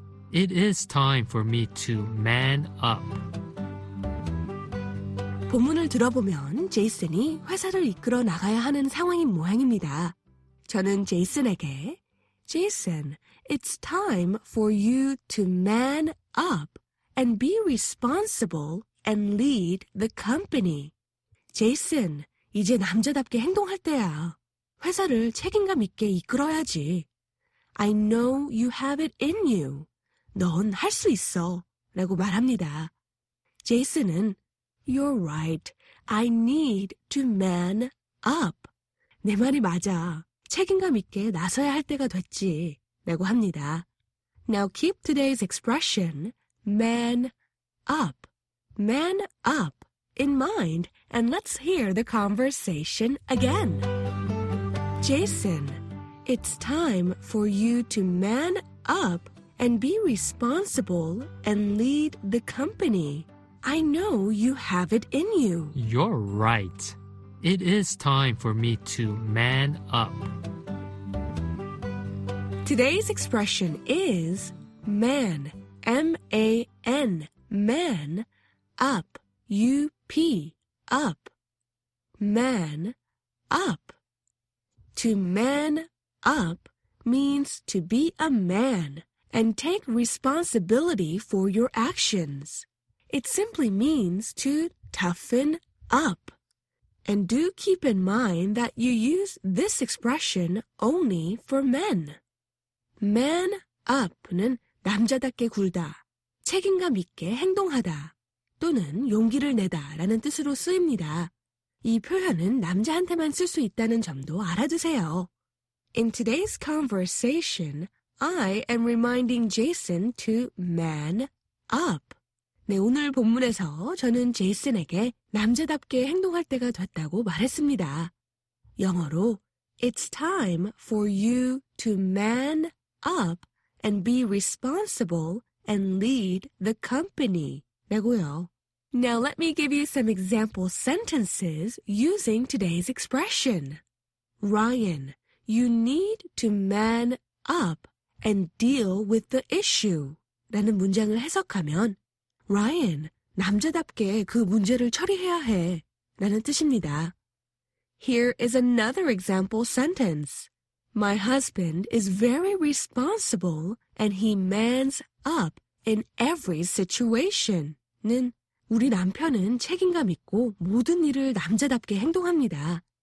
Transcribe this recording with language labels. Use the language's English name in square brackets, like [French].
[Korean] 본문을 들어보면 제이슨이 제이슨이 회사를 이끌어 나가야 하는 상황인 모양입니다. 저는 제이슨에게 [English] Jason, it's time for you to man up and be responsible and lead the company. 제이슨, 이제 남자답게 행동할 때야. 회사를 책임감 있게 이끌어야지. I know you have it in you. [Korean] 넌 할 수 있어. 라고 말합니다. 제이슨은 [English] You're right. I need to man up. [Korean] 내 말이 맞아. 책임감 있게 나서야 할 때가 됐지. 라고 합니다. [English] Now keep today's expression, man up. Man up in mind and let's hear the conversation again. Jason, it's time for you to man up and be responsible and lead the company. I know you have it in you. You're right. It is time for me to man up. Today's expression is man, M-A-N, man, up, U-P, up. Man, up. To man up means to be a man and take responsibility for your actions. It simply means to toughen up. And do keep in mind that you use this expression only for men. [Korean] Man up는 남자답게 굴다, 책임감 있게 행동하다, 또는 용기를 내다라는 뜻으로 쓰입니다. 이 표현은 남자한테만 쓸 수 있다는 점도 알아두세요. [English] In today's conversation, I am reminding Jason to man up. [Korean] 네, 오늘 본문에서 저는 제이슨에게 남자답게 행동할 때가 됐다고 말했습니다. 영어로 [English] It's time for you to man up and be responsible and lead the company. [Korean] 라고요. [English] Now let me give you some example sentences using today's expression. Ryan, you need to man up and deal with the issue. [Korean] 라는 문장을 해석하면 Ryan, 남자답게 그 문제를 처리해야 해. 라는 뜻입니다. [English] Here is another example sentence. My husband is very responsible and he mans up in every situation. [Korean] 는 우리 남편은 책임감 있고 모든 일을 남자답게 행동합니다.